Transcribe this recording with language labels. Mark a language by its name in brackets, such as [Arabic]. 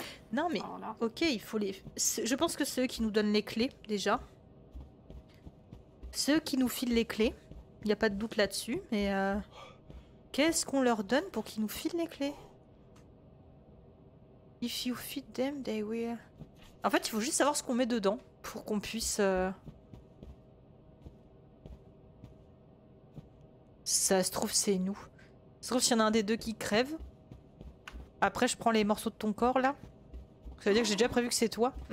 [French] Non mais, ok, il faut les... Je pense que c'est eux qui nous donnent les clés, déjà. C'est eux qui nous filent les clés. Il n'y a pas de doute là-dessus, mais... Qu'est-ce qu'on leur donne pour qu'ils nous filent les clés? [English] If you feed them, they will... [French] En fait, il faut juste savoir ce qu'on met dedans pour qu'on puisse... Ça se trouve, c'est nous. Ça se trouve, s'il y en a un des deux qui crève. Après, je prends les morceaux de ton corps, là. Ça veut dire que j'ai déjà prévu que c'est toi.